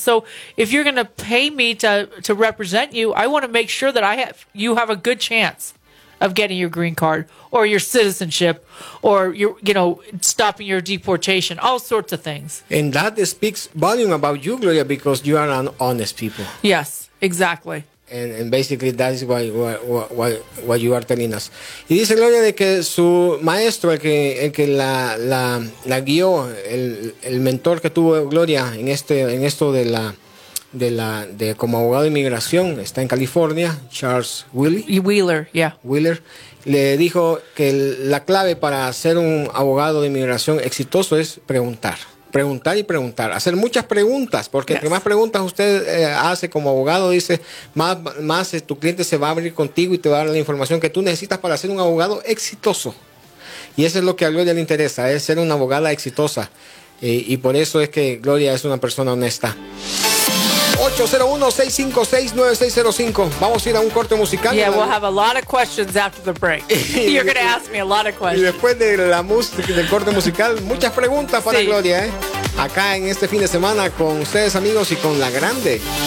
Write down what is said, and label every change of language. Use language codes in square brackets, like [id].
[en] So if you're going to pay me to represent you, I want to make sure that you have a good chance of getting your green card or your citizenship or your, you know, stopping your deportation, all sorts of things. And that speaks volume about you, Gloria, because you are an honest people. Yes, exactly. And basically that is why you are telling us. [es] Y dice Gloria de que su maestro, el que la guió, el mentor que tuvo Gloria en esto de como abogado de inmigración, está en California, Charles [en] Wheeler. Yeah. [es] Wheeler le dijo que la clave para ser un abogado de inmigración exitoso es preguntar, hacer muchas preguntas, porque entre más preguntas usted hace como abogado, dice, más tu cliente se va a abrir contigo y te va a dar la información que tú necesitas para ser un abogado exitoso. Y eso es lo que a Gloria le interesa, es ser una abogada exitosa. Y por eso es que Gloria es una persona honesta. 801-656-9605. Vamos a ir a un corte musical. [en] Yeah, we'll have a lot of questions after the break. You're going to ask me a lot of questions. [es] Y después de la música, del corte musical, muchas preguntas para Gloria, ¿eh? Acá en este fin de semana con ustedes, amigos, y con La Grande.